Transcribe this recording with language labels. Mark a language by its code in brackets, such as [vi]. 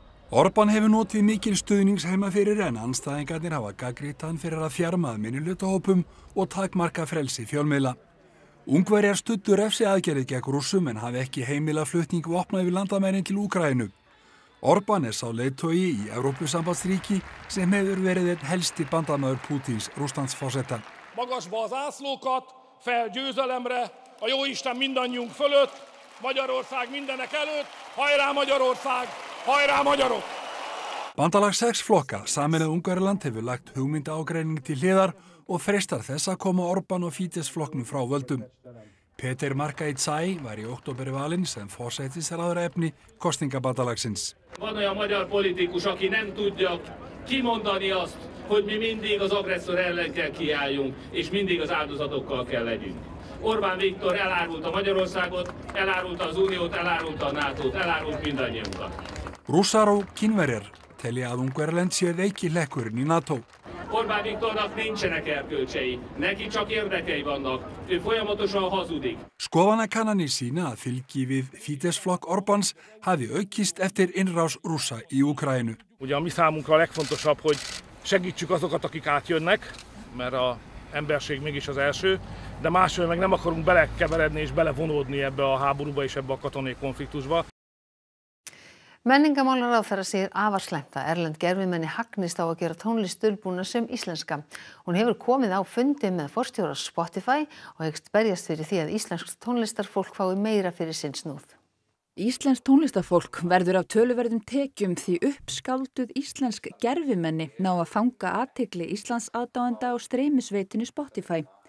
[is] Orbán hefur notið mikil stuðnings heima fyrir en andstæðingarnir hafa gagnrýnt hann fyrir að fjarma að minnihlutahópum og takmarka frelsi fjölmiðla. Ungverjar studdu refsiaðgerðir gegn Rússum en hafa ekki heimilað flutning vopna yfir landamærin til Úkraínu. Orbán er sá leiðtogi í Evrópusambandsríki sem hefur verið einn helsti bandamaður Pútíns, Rússlands forseta. [hu] Magasba az ászlókat, fel győzelemre, a jó Isten mindannyiunk fölött, Magyarország mindenek előtt, hajrá Magyarország, hajrá magyarok! [is] Bandalag 6 flokka, Sameinuð Ungverjaland, hefur lagt hugmyndaágreining til hliðar og freistar þess að koma Orbán og Fítes flokknum frá völdum. Peter Markai Tsai var í október valinn sem forsætisráðherra efni kosningabandalagsins. [hu] Van olyan magyar politikus, aki nem tudja kimondani azt, hogy mi mindig az agresszor ellen kell kiálljunk, és mindig az áldozatokkal kell legyünk. Orbán Viktor elárulta Magyarországot, elárulta az Uniót, elárulta a NATO-t, elárult mindannyiunkat. [is] Rússar og kínverjar telja að Ungverjaland sé veiki hlekkurinn í NATO. [hu] Orbán Viktornak nincsenek erkölcsei, neki csak érdekei vannak, ő folyamatosan hazudik. [is] Skoðanakannanir sína að fylgi við Fidesz-flokk Orbáns hafi aukist eftir innrás Rússa í Ukrajinu. [hu] Ugye a mi számunkra a legfontosabb, hogy segítsük azokat, akik átjönnek, mert a emberség mégis az első, de máshol meg nem akarunk belekeveredni és belevonódni ebbe a háborúba és ebbe a katonai konfliktusba. [is] Menningamálaráðherra segir afar slæmt að erlend gervimenni hagnist á að gera tónlist dulbúna sem íslenska. Hún hefur komið á fundi með forstjóra Spotify og hyggst berjast fyrir því að íslensk tónlistarfólk fái meira fyrir sinn snúð. Íslensk tónlistarfólk verður af töluverðum tekjum því uppskálduð íslensk gervimenni ná að fanga athygli Íslands aðdáenda á streymisveitinni Spotify.